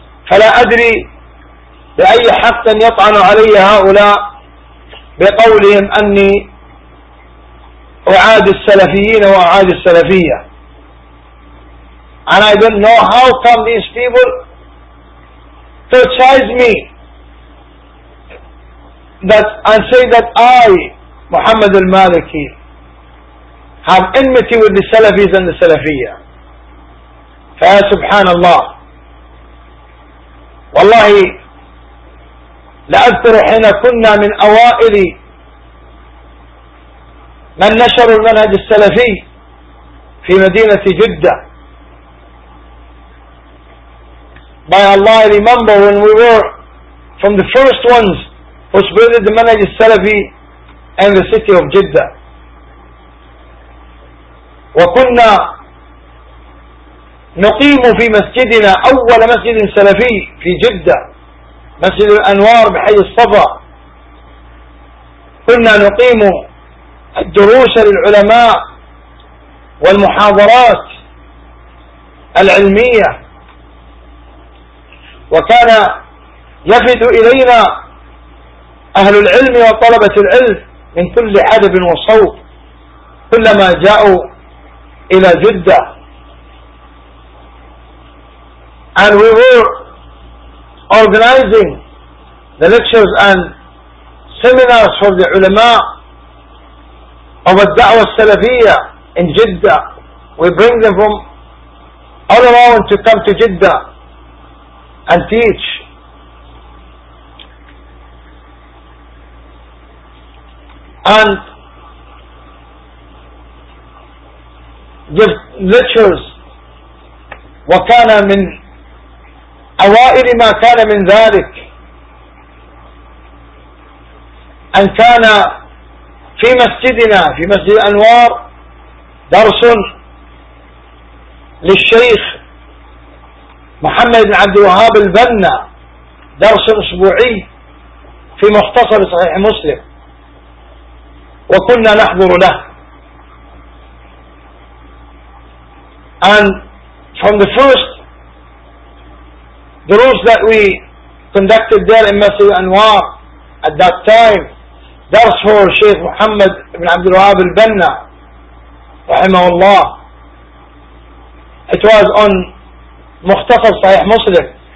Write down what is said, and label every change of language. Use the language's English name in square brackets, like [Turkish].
[Arabic] فلا أدري بأي حق يطعن علي هؤلاء بقولهم أني أعاد السلفيين وأعاد السلفية. [English] And I don't know how come these people criticize me that and say that I, Muhammad al-Maliki, have enmity with the Salafis and the Salafiyya. [Arabic] فيا سبحان الله والله لأذكر حين كنا من أوائل من نشر المنهج السلفي في مدينة جدة. [English] By Allah, I remember when we were from the first ones who spread the manhaj al-Salafi in the city of Jeddah. [Arabic] وكنا نقيم في مسجدنا أول مسجد سلفي في جدة، مسجد الأنوار بحي الصفا. كنا نقيم الدروس للعلماء والمحاضرات العلمية، وكان يفد إلينا أهل العلم وطلبة العلم من كل حدب وصوب كلما جاءوا إلى جدة. [English] and we were organizing the lectures and seminars for the ulama of al-da'wah al-salafiyya in Jeddah. We bring them from all around to come to Jeddah and teach. And give lectures. [Arabic] وَكَانَ مِنْ أَوَائِلِ مَا كَانَ مِنْ ذَلِكَ. أن كان في مسجدنا في مسجد الأنوار درس للشيخ محمد بن عبد الوهاب البنا, درس أسبوعي في مختصر صحيح مسلم, وكنا نحضر له. [English] And from the first درس that we conducted there in Masjid Anwar at that time, درس for Sheikh Muhammad ibn Abdul Wahab al-Banna [Arabic] رحمه الله, [English] it was on [Arabic] مختصر صحيح مسلم.